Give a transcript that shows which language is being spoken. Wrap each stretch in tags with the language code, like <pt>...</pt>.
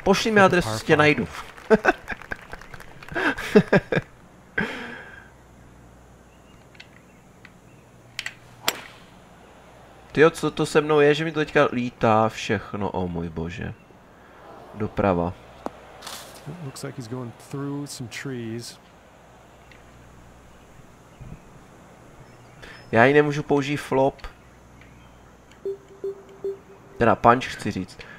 <cs>Pošli mi adresu, tě najdu. Tyjo, co to se mnou je, že mi to teďka lítá všechno, o můj bože. Doprava.</cs> <en>It looks like he's going through some trees.</en> <cs>Já ji nemůžu použít flop. Teda punch chci říct.</cs>